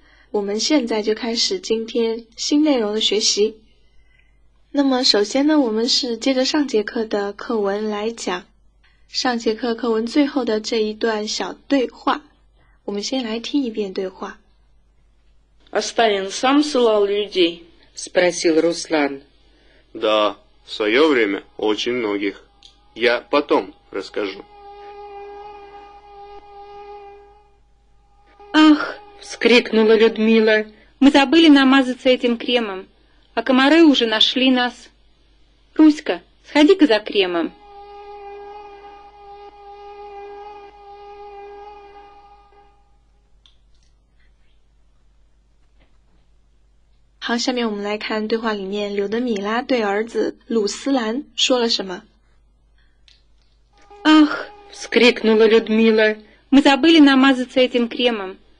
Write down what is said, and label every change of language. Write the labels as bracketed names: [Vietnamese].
[Chinese] 我们现在就开始今天新内容的学习。那么首先呢，我们是接着上节课的课文来讲上节课课文最后的这一段小对话，我们先来听一遍对话。 [Russian] А Сталин сам ссылал людей? Спросил Руслан. Да, в свое время очень многих. Я потом расскажу. Ах, вскрикнула Людмила. Мы забыли намазаться этим кремом. А комары уже нашли нас. Руська, сходи-ка за кремом. [Chinese] 好，下面我们来看对话里面刘德米拉对儿子鲁斯兰说了什么。 [Russian] Ах, вскрикнула Людмила. Мы забыли намазаться этим кремом.